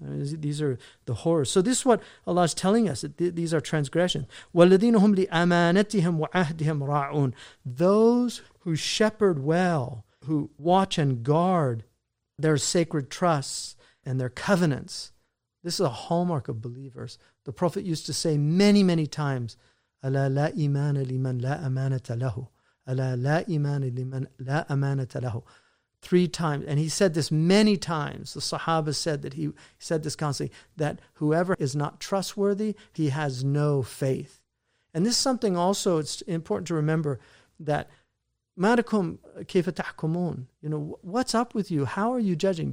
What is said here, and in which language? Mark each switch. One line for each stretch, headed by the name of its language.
English: I mean, these are the horrors. So this is what Allah is telling us. These are transgressions.
Arabic: وَالَّذِينَ هُمْ لِأَمَانَتِهِمْ وَعَهْدِهِمْ رَاعُونَ
English: Those who shepherd well, who watch and guard their sacred trusts and their covenants. This is a hallmark of believers. The Prophet used to say many, many times,
Arabic: أَلَا لَا إِمَانَ لِمَنْ لَا أَمَانَةَ لَهُ أَلَا لَا إِمَانَ لِمَنْ لَا أَمَانَةَ لَهُ
English: Three times. And he said this many times. The Sahaba said that he said this constantly, that whoever is not trustworthy, he has no faith. And this is something also, it's important to remember that
Arabic: Marakum kayfa tahkumun,
English: you know, what's up with you? How are you judging?